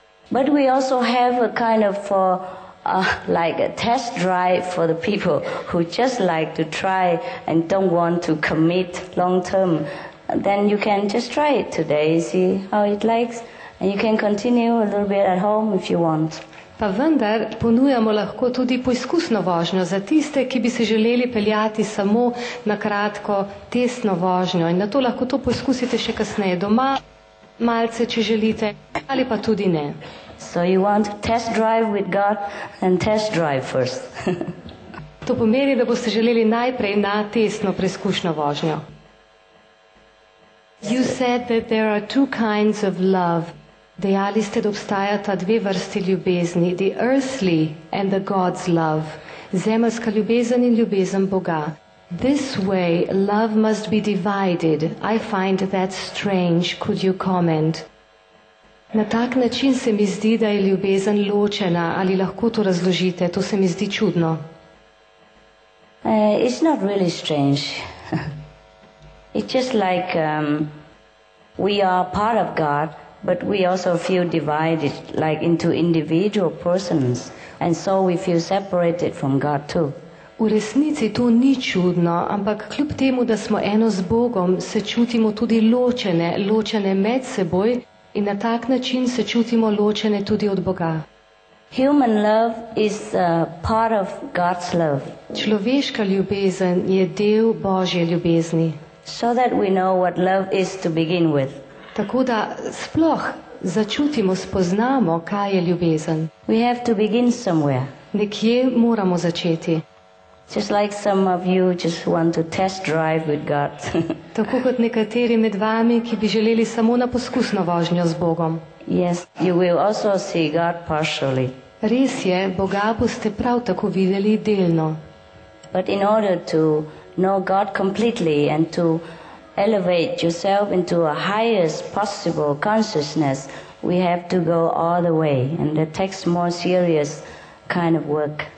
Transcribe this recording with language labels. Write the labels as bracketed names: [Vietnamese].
[English] But we also have a kind of like a test drive for the people who just like to try and don't want to commit long term. Then you can just try it today, see how it likes, and you can continue a little bit at home if you want. [Slovenian] Pa vendar ponujamo lahko tudi poizkusno vožnjo za tiste, ki bi se želeli peljati samo na kratko testno vožnjo in na to lahko to poizkusite še kasneje doma, malce, če želite, ali pa tudi ne. [English] So you want to test drive with God and test drive first. [Slovenian] To pomeni, da boste želeli najprej na testno preizkušno vožnjo. [English] You said that there are two kinds of love. [Slovenian] Dejali ste, da obstajata dve vrsti ljubezni, [English] the earthly and the God's love, [Slovenian] zemeljska ljubezen in ljubezen Boga. [English] This way, love must be divided. I find that strange. Could you comment? [Slovenian] Na tak način se mi zdi, da je ljubezen ločena. Ali lahko to razložite? To se mi zdi čudno. [English] It's not really strange. It's just like we are part of God. But we also feel divided, like into individual persons, and so we feel separated from God too. [Slovenian] V resnici to ni čudno, ampak kljub temu, da smo eno z Bogom, se čutimo tudi ločene, ločene med seboj in na tak način se čutimo ločene tudi od Boga. [English] Human love is a part of God's love. [Slovenian] Človeška ljubezen je del Božje ljubezni. [English] So that we know what love is to begin with. [Slovenian] Tako da sploh začutimo, spoznamo, kaj je ljubezen. [English] We have to begin somewhere. [Slovenian] Nekje moramo začeti. [English] Just like some of you just want to test drive with God. [Slovenian] Tako kot nekateri med vami, ki bi želeli samo na poskusno vožnjo z Bogom. [English] Yes, you will also see God partially. [Slovenian] Res je, Boga boste prav tako videli delno. [English] But in order to know God completely and to elevate yourself into a highest possible consciousness, we have to go all the way, and that takes more serious kind of work.